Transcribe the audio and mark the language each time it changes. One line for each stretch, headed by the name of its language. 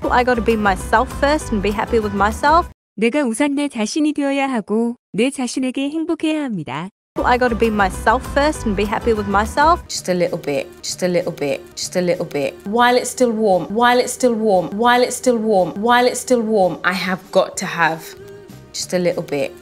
English: Well, I got to be myself first and be happy with myself.
Korean: 내가 우선 내 자신이 되어야 하고 내 자신에게 행복해야 합니다.
English: Well, I got to be myself first and be happy with myself. Just a little bit, just a little bit, just a little bit. While it's still warm, while it's still warm, while it's still warm, while it's still warm, I have got to have just a little bit.